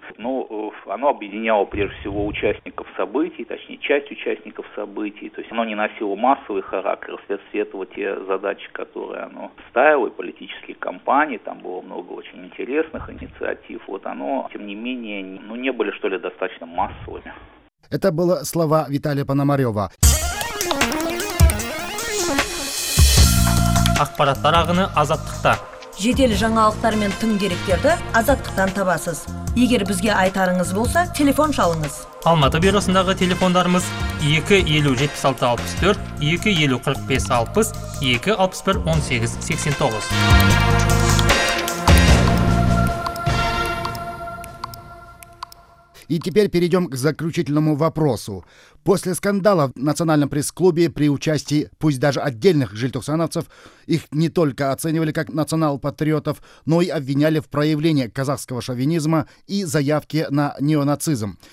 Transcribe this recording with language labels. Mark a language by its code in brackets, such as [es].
[ru] Но оно объединяло прежде всего участников событий, точнее, часть участников событий, то есть оно не носило массовый характер, вследствие этого те задачи, которые оно ставило, и политические кампании, там было много очень интересных инициатив, вот оно, тем не менее, ну, не были, что ли, достаточно массовыми. Это были слова Виталия Пономарева. [kk] Ақпарат тарағыны азаттықта. Жедел жаңалықтар мен тың деректерді азаттықтан табасыз. Егер бізге айтарыңыз болса, телефон шалыңыз. Алматы бюросындағы телефондарымыз 250-76-64, 250-45-60, 261-18-89. [ru] И теперь перейдем к заключительному вопросу. После скандала в Национальном пресс-клубе при участии, пусть даже отдельных желтоксановцев, их не только оценивали как национал-патриотов, но и обвиняли в проявлении казахского шовинизма и заявке на неонацизм.